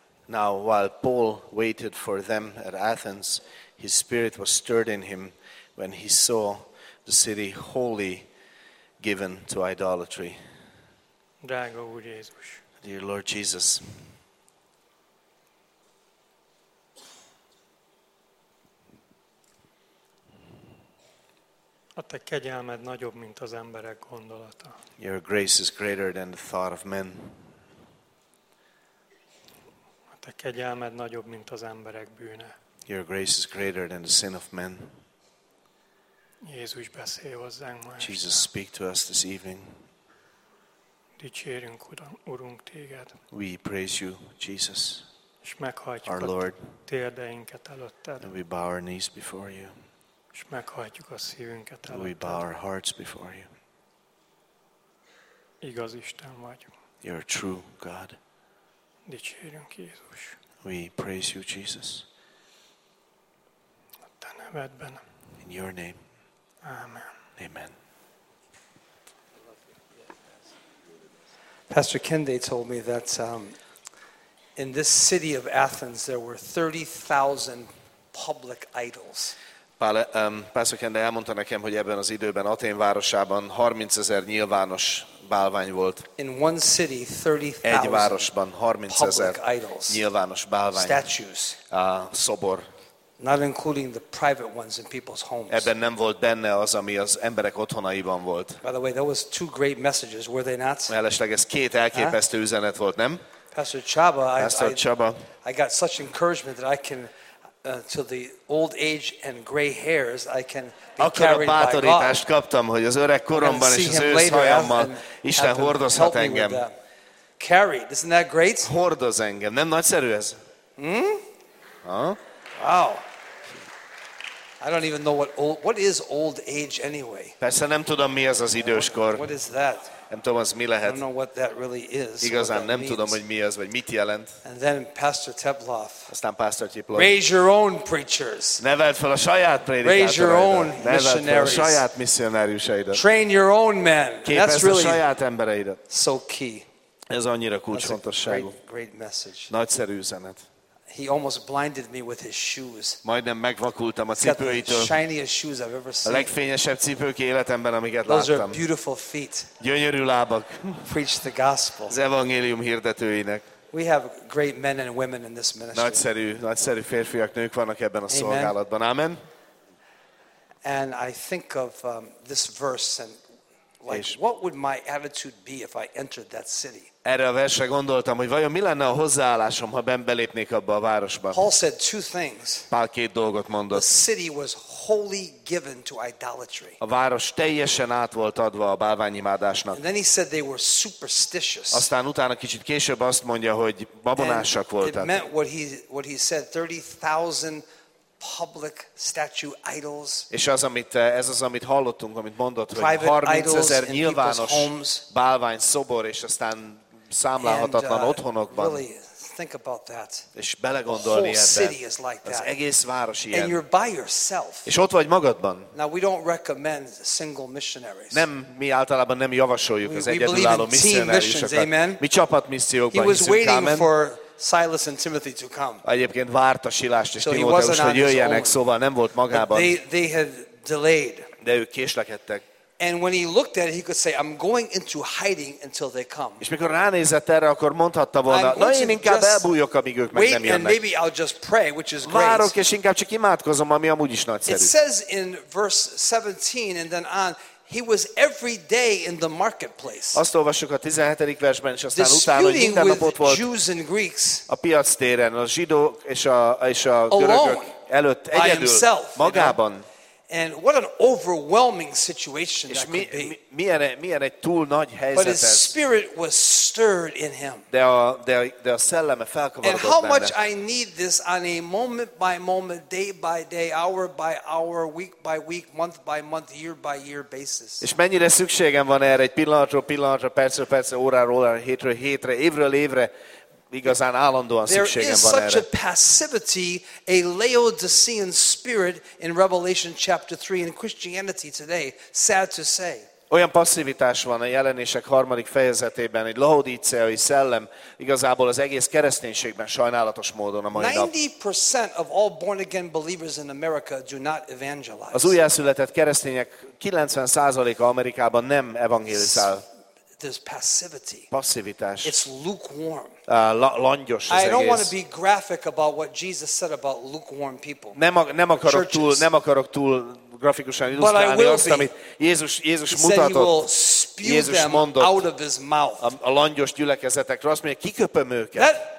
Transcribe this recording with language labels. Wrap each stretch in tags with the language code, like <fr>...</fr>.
<en>Now, while Paul waited for them at Athens, his spirit was stirred in him, when he saw the city wholly given to idolatry.</en> <hu>Drága Úr Jézus.</hu> <en>Dear Lord Jesus.</en> <hu>A te kegyelmed nagyobb, mint az emberek gondolata.</hu> <en>Your grace is greater than the thought of men.</en> <hu>A te kegyelmed nagyobb, mint az emberek bűne.</hu> <en>Your grace is greater than the sin of men.</en> <hu>Jézus, beszélj hozzánk ma este.</hu> <en>Jesus, speak to us this evening.</en> <hu>Dicsérünk, Urunk, téged.</hu> <en>We praise you, Jesus.</en> <hu>És meghajtjuk</hu> <en>our Lord.</en> <hu>A térdeinket előtted.</hu> <en>And we bow our knees before you.</en> <hu>És meghajtjuk a szívünket előtted.</hu> <en>And we bow our hearts before you.</en> <hu>Igaz Isten vagy.</hu> <en>You are true God.</en> <hu>Dicsérünk, Jézus.</hu> <en>We praise you, Jesus.</en> <hu>A te nevedben.</hu> <en>In your name.</en> <hu>Amen.</hu> <en>Amen. Pastor Kende told me that in this city of Athens there were 30,000 public idols.</en> <hu>Pastor Kende elmondta nekem, hogy ebben az időben Athén városában 30,000 nyilvános bálvány volt.</hu> <en>In one city, 30,000</en> <hu>egy városban 30,000 nyilvános bálvány.</hu> <en>Statues.</en> <hu>Szobor.</hu> <en>Not including the private ones in people's homes.</en> <hu>Ebben nem volt benne az, ami az emberek otthonaiban volt.</hu> <en>By the way, that was two great messages, were they not?</en> <hu>Mellesleg ez két elképesztő üzenet volt, nem?</hu> <en>Pastor Csaba,</en> <hu>Pastor Csaba.</hu> <en>I got such encouragement that I can to the old age and gray hairs I can be</en> <hu>akkor</hu> <en>carried</en> <hu>a bátorítást by kaptam, hogy az öreg koromban és az ősz hajammal Isten hordozhat engem.</hu> <en>Carried, isn't that great?</en> <hu>Hordoz engem, nem nagyszerű ez?</hu> <en>Wow. I don't even know what is old age anyway.</en> <hu>Persze nem tudom, mi az az időskor.</hu> <en>What is that?</en> <hu>Nem tudom, az mi lehet.</hu> <en>I don't know what that really is.</en> <hu>Igazán nem</hu> <en>means.</en> <hu>Tudom, hogy mi az, vagy mit jelent.</hu> <en>And then Pastor Teplov.</en> <hu>Aztán Pastor Teplov.</hu> <en>Raise your own preachers.</en> <hu>Neveld fel a saját prédikátoraidat.</hu> <en>Raise your own missionaries.</en> <hu>Neveld fel a saját missionáriusaidat.</hu> <en>Train your own men.</en> <hu>Képezd a saját embereidet.</hu> <en>So key.</en> <hu>Ez annyira kulcsfontosságú.</hu> <en>Great message.</en> <hu>Nagyszerű üzenet.</hu> <en>He almost blinded me with his shoes.</en> <hu>Majdnem megvakultam a cipőitől.</hu> <en>The shiniest shoes I've ever seen.</en> <hu>A legfényesebb cipők életemben, amiket</hu> <en>Those</en> <hu>láttam.</hu> <en>Those are beautiful feet.</en> <hu>Gyönyörű lábak.</hu> <en>Preach the gospel.</en> <hu>Az evangélium hirdetőinek.</hu> <en>We have great men and women in this ministry.</en> <hu>Nagyszerű férfiak, nők vannak ebben a szolgálatban.</hu> <en>Amen. And I think of this verse and like, what would my attitude be if I entered that city?</en> <hu>Erre a versre gondoltam, hogy vajon mi lenne a hozzáállásom, ha belépnék abba a városba.</hu> <en>Paul said two things.</en> <hu>Pál két dolgot mondott.</hu> <en>The city was wholly given to idolatry.</en> <hu>A város teljesen át volt adva a bálványimádásnak.</hu> <en>And then he said they were superstitious.</en> <hu>Aztán utána kicsit később azt mondja, hogy babonásak voltak.</hu> <en>It meant what he said, 30,000 public statue idols.</en> <hu>És az, amit ez az, amit hallottunk, amit mondott, hogy 30,000 nyilvános bálvány szobor és aztán számlálhatatlan otthonokban.</hu> <en>Really, think about that.</en> <hu>És belegondolni ebben.</hu> <en>The city is like that.</en> <hu>Az egész város ilyen.</hu> <en>And you're by yourself.</en> <hu>És ott vagy magadban.</hu> <en>Now we don't recommend single missionaries.</en> <hu>Nem, mi általában nem javasoljuk az egyedülálló missionáriusokat. Mi csapatmissziókban hiszünk.</hu> <en>He was waiting for Silas and Timothy to come.</en> <hu>Egyébként várta Silást és Timóteust, hogy jöjjenek, szóval nem volt magában.</hu> <en>They had delayed.</en> <hu>De ők késlekedtek.</hu> <en>And when he looked at it, he could say, I'm going into hiding until they come.</en> <hu>És mikor ránézett erre, akkor mondhatta volna, na én inkább elbújok, amíg ők meg nem jönnek.</hu> <en>Wait, and maybe I'll just pray, which is great.</en> <hu>Várok, és inkább csak imádkozom, ami amúgy is nagyszerű.</hu> <en>It says in verse 17 and then on, he was every day in the marketplace.</en> <hu>Azt olvassuk a 17. versben, és aztán utána minden nap ott volt</hu> <en>Jews and Greeks,</en> <hu>a piac téren, a zsidók és a görögök előtt egyedül, magában.</hu> <en>And what an overwhelming situation that could be.</en> <hu>Milyen egy túl nagy helyzet ez.</hu> <en>But his spirit was stirred in him.</en> <hu>De a szelleme felkavarodott benne.</hu> <en>And how much I need this on a moment by moment, day by day, hour by hour, week by week, month by month, year by year basis.</en> <hu>És mennyire szükségem van erre egy pillanatról pillanatra, percről percre, óráról óra, hétről hétre, évről évre. Igazán állandóan</hu> <en>There</en> <hu>szükségem van erre.</hu> <en>such a passivity, a Laodicean spirit in Revelation chapter 3 in Christianity today, sad to say.</en> <hu>Olyan passzivitás van a Jelenések harmadik fejezetében, egy laodiceai szellem igazából az egész kereszténységben sajnálatos módon a mai nap.</hu> <en>90% of all born again believers in America do not evangelize.</en> <hu>Az újjászületett keresztények 90%-a Amerikában nem evangelizál.</hu> <en>There's passivity.</en> <hu>Passivitás.</hu> <en>It's lukewarm.</en> <hu>Langyos az egész.</hu> <en>I don't want to be graphic about what Jesus said about lukewarm people.</en> <hu>Nem akarok túl grafikusan illusztrálni azt, amit Jézus mutatott. Jézus mondott</hu> <en>out of his mouth.</en> <hu>A langyos gyülekezetekre azt mondja, kiköpöm őket.</hu>